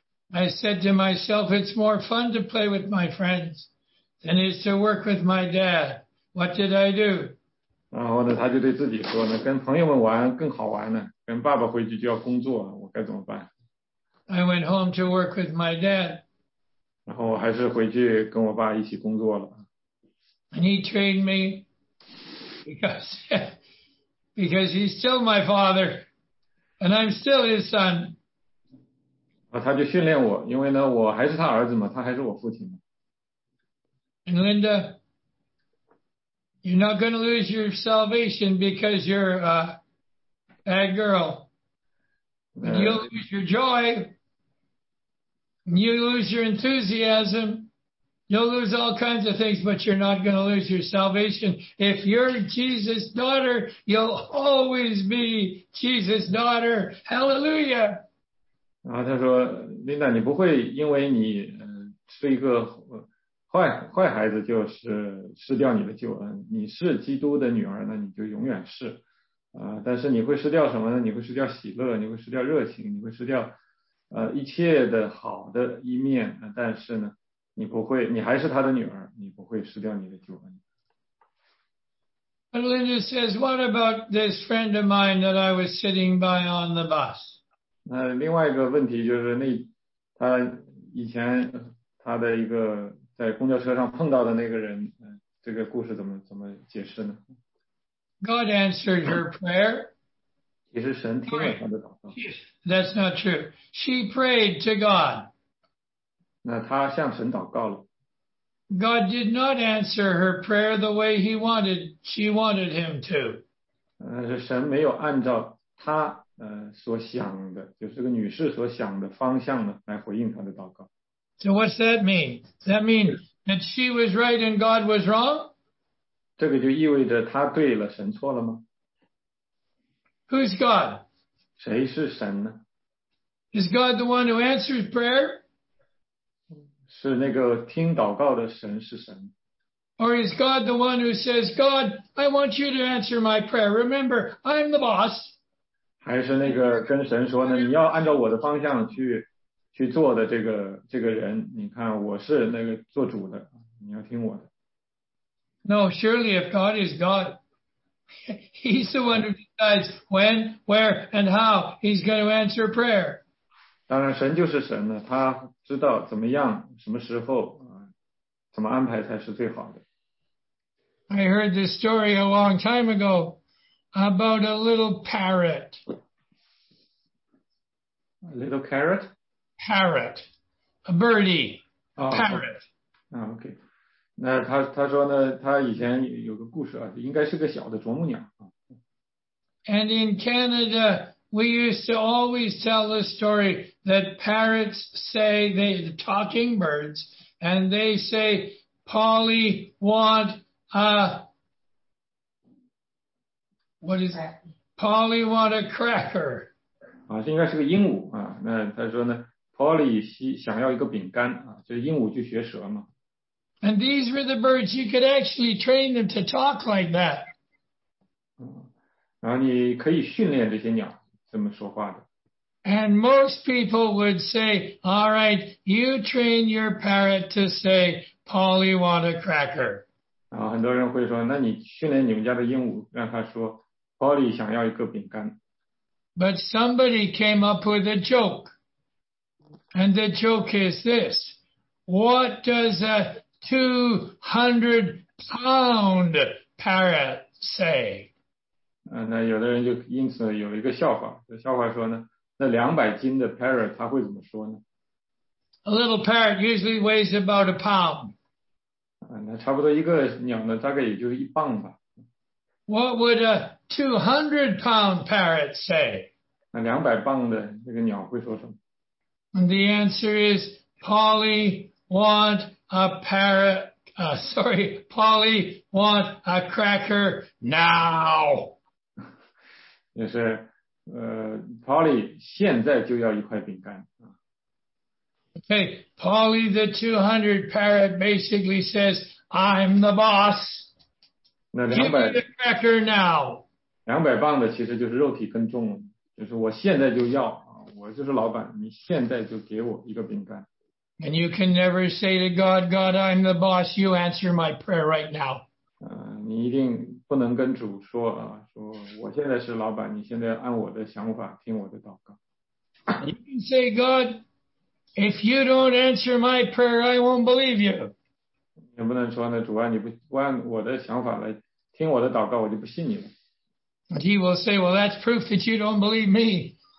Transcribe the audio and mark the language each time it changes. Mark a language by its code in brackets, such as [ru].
[en] I said to myself, it's more fun to play with my friends than it is to work with my dad. What did I do? [zh] 然后呢，他就对自己说呢，跟朋友们玩更好玩呢，跟爸爸回去就要工作，我该怎么办 [en] ？I went home to work with my dad. [zh] 然后我还是回去跟我爸一起工作了。 [en] And he trained me because he's still my father, and I'm still his son. [zh] 他就训练我，因为呢，我还是他儿子嘛，他还是我父亲嘛。 [en] And Linda. You're not going to lose your salvation because you're a bad girl. And you'll lose your joy. And you lose your enthusiasm. You'll lose all kinds of things, but you're not going to lose your salvation. If you're Jesus' daughter, you'll always be Jesus' daughter. Hallelujah. [zh] 然后他说 ，Linda， 你不会因为你是一个。坏孩子就是失掉你的救恩，你是基督的女儿，那你就永远是，但是你会失掉什么呢？你会失掉喜乐，你会失掉热情，你会失掉一切的好的一面，但是呢，你不会，你还是他的女儿，你不会失掉你的救恩。 [en] But Linda says, what about this friend of mine that I was sitting by on the bus? [zh] 那另外一个问题就是那他以前他的一个。在公交车上碰到的那个人，这个故事怎么解释呢 [en] ？God answered her prayer. [zh] 其实神听了她的祷告。 [en] That's not true. She prayed to God. [zh] 那她向神祷告了。 [en] God did not answer her prayer the way he wanted. She wanted him to. [zh] 神没有按照她所想的，就是个女士所想的方向呢，来回应她的祷告。 [en] So what's that mean? Does that mean that she was right and God was wrong? [zh] 这个就意味着他对了，神错了吗？ [en] Who's God? [zh] 谁是神呢？ [en] Is God the one who answers prayer? [zh] 是那个听祷告的神是神。 [en] Or is God the one who says, God, I want you to answer my prayer. Remember, I'm the boss. [zh] 还是那个跟神说呢，你要按照我的方向去。去做的这个人，你看我是那个做主的，你要听我的。 [en] No, surely if God is God, He's the one who decides when, where, and how He's going to answer prayer. [zh] 当然，神就是神了，他知道怎么样、什么时候、怎么安排才是最好的。 [en] I heard this story a long time ago about a little parrot. A little carrot? Parrot, a birdie, parrot. [zh] 啊 ，OK， 那他说呢，他以前有个故事啊，应该是个小的啄木鸟啊。 [en] And in Canada, we used to always tell the story that parrots say, they talking birds, and they say, Polly, want a, what is that? Polly, want a cracker. [zh] 啊，应该是个鹦鹉啊。那他说呢 ，Polly 想要一个饼干啊，就是鹦鹉去学舌嘛。 [en] And these were the birds you could actually train them to talk like that. [zh] 嗯，然后你可以训练这些鸟怎么说话的。 [en] And most people would say, "All right, you train your parrot to say, 'Polly want a cracker.'" [zh] 然后很多人会说，那你训练你们家的鹦鹉，让它说 ，Polly 想要一个饼干。 [en] But somebody came up with a joke. And the joke is this. What does a 200 pound parrot say? [zh] 那有的人就因此有一个笑话。笑话说呢，那200斤的 parrot 他会怎么说呢？ [en] A little parrot usually weighs about a pound. [zh] 那差不多一个鸟呢，大概也就是一磅吧。 [en] What would a 200 pound parrot say? [zh] 那200磅的那个鸟会说什么？ [en] And the answer is, Polly want a parrot, Polly want a cracker now. [zh] 就是Polly 现在就要一块饼干。 [en] Okay, Polly the 200 parrot basically says, I'm the boss. [zh] 那200 [en] Give me the cracker now. [zh] 200磅的其实就是肉体更重了。就是我现在就要，我就是老板，你现在就给我一个饼干。 [en] And you can never say to God, God, I'm the boss, you answer my prayer right now. [zh] 你一定不能跟主说啊，说我现在是老板，你现在按我的想法听我的祷告。 [en] You can say, God, if you don't answer my prayer, I won't believe you. [zh] 你不能说呢，主啊，你不按我的想法来听我的祷告，我就不信你了。 [en] And he will say, well, that's proof that you don't believe me.